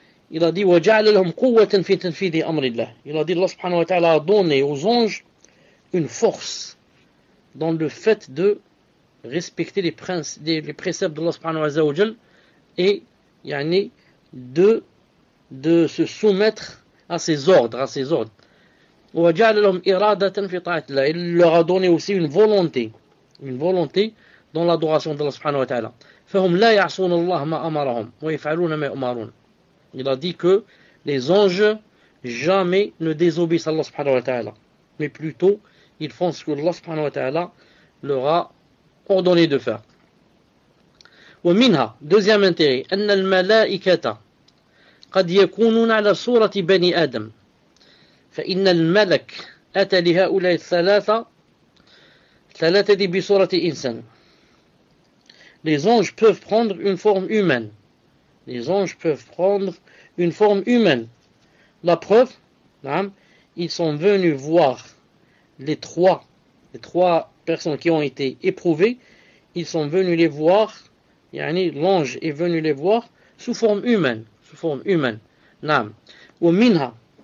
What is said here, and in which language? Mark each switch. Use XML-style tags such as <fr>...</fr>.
<fr>Il a dit,</fr> <ar>wa ja'alalhum quwwatan fi tanfidhi amrillah.</ar> <fr>Il a dit, Allah subhanahu wa ta'ala a donné aux anges une force dans le fait de respecter les princes, les préceptes d'Allah subhanahu wa ta'ala et yani, de se soumettre à ses ordres, à ses ordres.</fr> <ar>Wa ja'ala lahum iradatan fi ta'ati Allah.</ar> <fr>Il leur a donné aussi une volonté dans l'adoration d'Allah subhanahu wa ta'ala.</fr> <ar>فهم لا يعصون الله ما أمرهم ويفعلون ما يؤمرون.</ar> <fr>Il a dit que les anges jamais ne désobéissent à Allah subhanahu wa ta'ala, mais plutôt ils font ce que Allah subhanahu wa ta'ala leur a ordonné de faire.</fr> <ar>ومنها</ar> <fr>deuxième intérêt</fr> <ar>أن الملائكة قد يكونون على صورة بني آدم فإن الملك أتى لهؤلاء الثلاثة دي بصورة إنسان.</ar> <fr>Les anges peuvent prendre une forme humaine. Les anges peuvent prendre une forme humaine. La preuve, ils sont venus voir les trois personnes qui ont été éprouvées. Ils sont venus les voir, yani l'ange est venu les voir sous forme humaine. Sous forme humaine. Naam.</fr> <ar>Ou minha.</ar>